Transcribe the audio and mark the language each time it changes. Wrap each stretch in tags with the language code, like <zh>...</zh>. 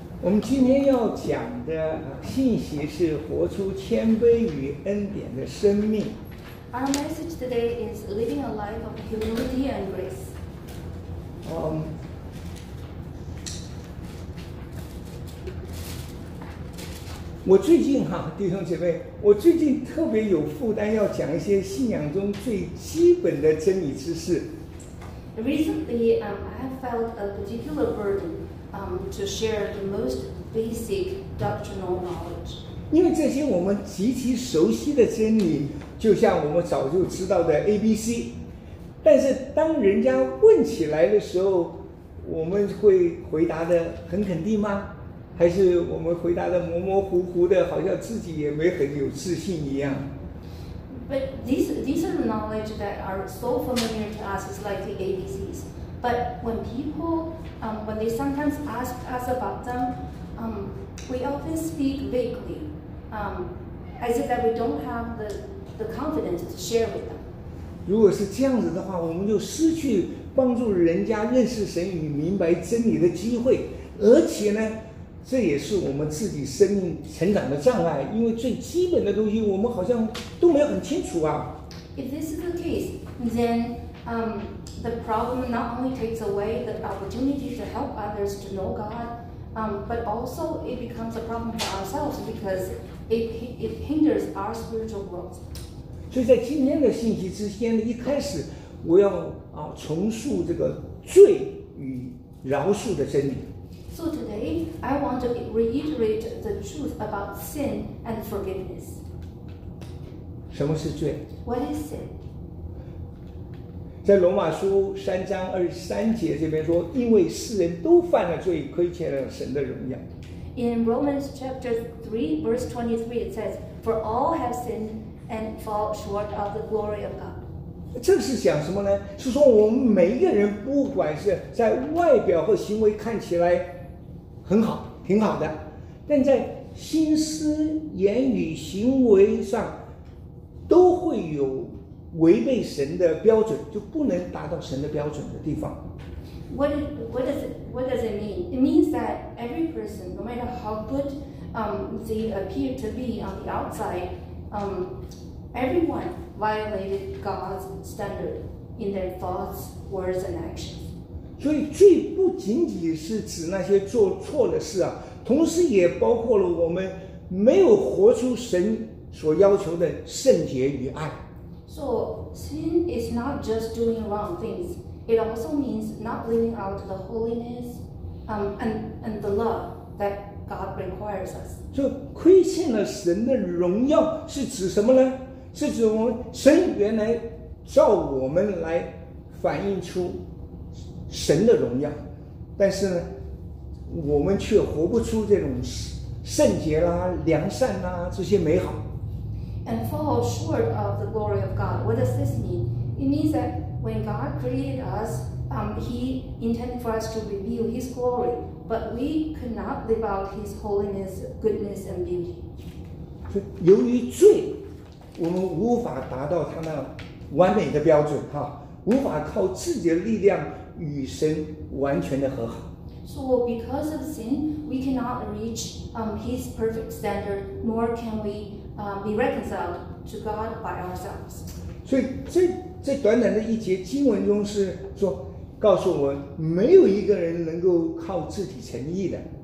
<zh>我们今天要讲的信息是活出谦卑与恩典的生命。</zh> <en>Our message today is living a life of humility and grace.</en> <zh>我最近哈，弟兄姐妹，我最近特别有负担，要讲一些信仰中最基本的真理知识。</zh> <en>Recently, I have felt a particular burden, to share the most basic doctrinal knowledge.</en> <zh>因为这些我们极其熟悉的真理，就像我们早就知道的 A、B、C， 但是当人家问起来的时候，我们会回答的很肯定吗？还是我们回答的模模糊糊的，好像自己也没很有自信一样。</zh> <en>But these are the knowledge that are so familiar to us, it's like the ABCs. But when people, when they sometimes ask us about them, we often speak vaguely, as if that we don't have the confidence to share with them.</en> <zh>如果是这样子的话，我们就失去帮助人家认识神与明白真理的机会，而且呢，这也是我们自己生命成长的障碍，因为最基本的东西我们好像都没有很清楚啊。</zh> <en>If this is the case, then the problem not only takes away the opportunity to help others to know God, but also it becomes a problem for ourselves because it hinders our spiritual growth.</en> <zh>所以在今天的信息之间一开始，我要重述这个罪与饶恕的真理。</zh> <en>So today, I want to reiterate the truth about sin and forgiveness.</en> <zh>什么是罪？</zh> <en>What is sin?</en> <zh>在罗马书三章二十三节这边说，因为世人都犯了罪，亏欠了神的荣耀。</zh> <en>In Romans chapter 3, verse 23, it says, For all have sinned and fall short of the glory of God.</en> <zh>这是讲什么呢？是说我们每一个人，不管是在外表或行为看起来很好，挺好的，但在心思、言语、行为上都会有违背神的标准，就不能达到神的标准的地方。</zh> <en>What does it mean? It means that every person, no matter how good they appear to be on the outside, everyone violated God's standard in their thoughts, words, and actions.</en> <zh>所以罪不仅仅是指那些做错的事啊，同时也包括了我们没有活出神所要求的圣洁与爱。</zh> <en>So sin is not just doing wrong things; it also means not living out the holiness, and the love that God requires us.</en> <zh>就亏欠了神的荣耀是指什么呢？是指我们神原来照我们来反映出神的荣耀，但是呢，我们却活不出这种圣洁啦、良善啦这些美好。</zh> <en>And fall short of the glory of God. What does this mean? It means that when God created us, He intended for us to reveal His glory, but we could not live out His holiness, goodness, and beauty.</en> <zh>由于罪，我们无法达到他那完美的标准哈，无法靠自己的力量与神完全的和好。</zh> <en>So because of sin, we cannot reach His perfect standard, nor can we be reconciled to God by ourselves.</en> <zh>所以这短短的一节经文中是说，告诉我们没有一个人能够靠自己成义的。</zh>